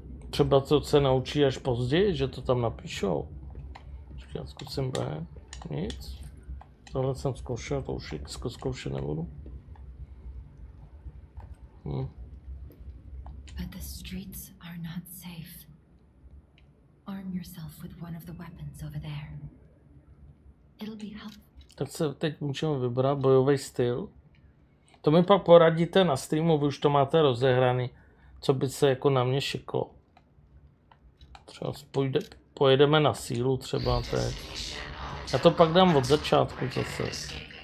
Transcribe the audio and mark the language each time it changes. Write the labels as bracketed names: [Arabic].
[Czech] Třeba to se naučí až později, že to tam napíšou. Počkej, já zkusím B, nic. Tohle jsem zkoušel, to už zkoušet nebudu. [English] But the streets are not safe. Arm yourself with one of the weapons over there. It'll be helpful. [Czech] Tak se teď můžeme vybrat bojový styl. To mi pak poradíte na streamu, vy už to máte rozehraný, co by se jako na mě šiklo. Třeba pojedeme na sílu třeba teď. Já to pak dám od začátku zase.